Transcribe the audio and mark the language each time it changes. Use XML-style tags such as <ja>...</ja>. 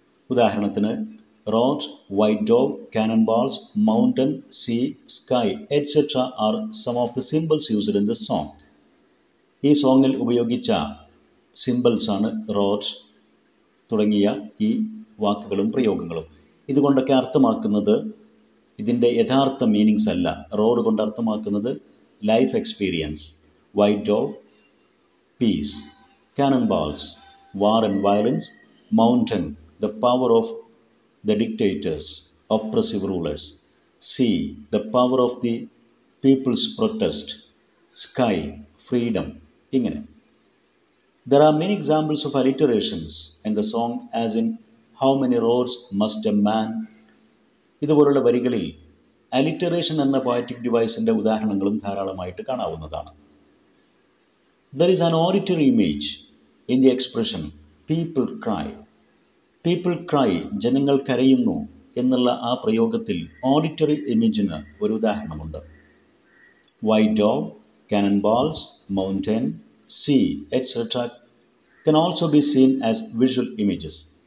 <en>ഉദാഹരണത്തിന്, roads, white dog, cannon balls, mountain, sea, sky etcetera are some of the symbols used in the song.</en> <ml>ഈ സോങ്ങിൽ ഉപയോഗിച്ച symbols ആണ് roads തുടങ്ങിയ ഈ വാക്കുകളും പ്രയോഗങ്ങളും. ഇതുകൊണ്ടൊക്കെ അർത്ഥമാക്കുന്നത് ഇതിൻ്റെ യഥാർത്ഥ മീനിങ്സ് അല്ല. റോഡ് കൊണ്ട് അർത്ഥമാക്കുന്നത്</ml> <en>Life experience, white dog peace, cannon balls war and violence, mountain the power of the dictators, oppressive rulers, see the power of the people's protest, sky freedom. Ingane there are many examples of alliterations in the song, as in how many roads must a man.</en> <ml>ഇതുപോലുള്ള വരികളിൽ alliteration എന്ന poetic ഡിവൈസിന്റെ ഉദാഹരണങ്ങളും ധാരാളമായിട്ട് കാണാവുന്നതാണ്.</ml> <en>There is an auditory image in the expression people cry.</en> <ml>People cry, ജനങ്ങൾ കരയുന്നു എന്നുള്ള ആ പ്രയോഗത്തിൽ ഓഡിറ്ററി ഇമേജിന് ഒരു ഉദാഹരണമുണ്ട്.</ml> <en>White dog, cannon balls, mountain, sea etcetera can also be seen as visual images.</en>